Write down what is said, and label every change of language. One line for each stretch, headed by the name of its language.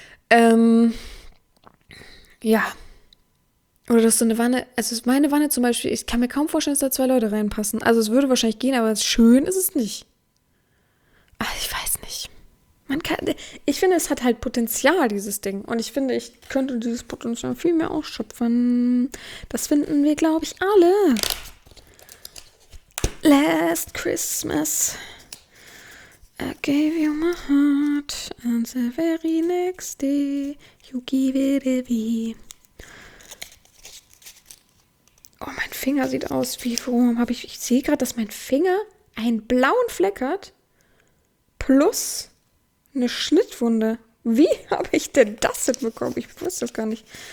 German: Ja. Oder dass so eine Wanne, also meine Wanne zum Beispiel, ich kann mir kaum vorstellen, dass da zwei Leute reinpassen. Also es würde wahrscheinlich gehen, aber schön ist es nicht. Ach, ich weiß nicht. Man kann, ich finde, es hat halt Potenzial, dieses Ding. Und ich finde, ich könnte dieses Potenzial viel mehr ausschöpfen. Das finden wir, glaube ich, alle.
English: Last Christmas I gave you my heart and the very next day you give it away.
German: Oh, mein Finger sieht aus wie, warum habe ich, ich sehe gerade, dass mein Finger einen blauen Fleck hat plus eine Schnittwunde. Wie habe ich denn das hinbekommen? Ich wusste das gar nicht.